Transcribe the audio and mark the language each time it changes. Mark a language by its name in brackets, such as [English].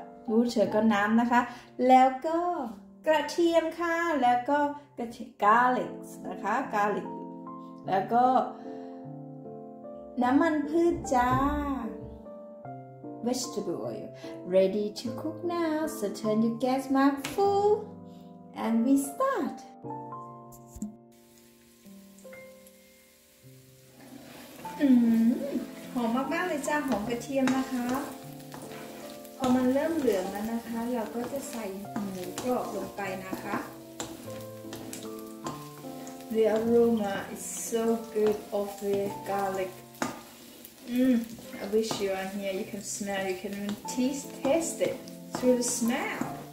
[Thai] water ก็น้ำนะคะแล้วก็กระเทียมค่ะแล้วก็กระเทียม garlic นะคะ garlic แล้วก็น้ำมันพืชจ้า [English] Vegetable oil ready to cook now. So turn your gas mask full, and we start. [Thai] หอมมากๆเลยจ้าหอมกระเทียมนะคะพอมันเริ่มเหลืองแล้วนะคะเราก็จะใส่หมูกรอบลงไปนะคะ [English] The aroma is so good of the garlic. I wish you are here. You can smell. You can even taste it through the smell.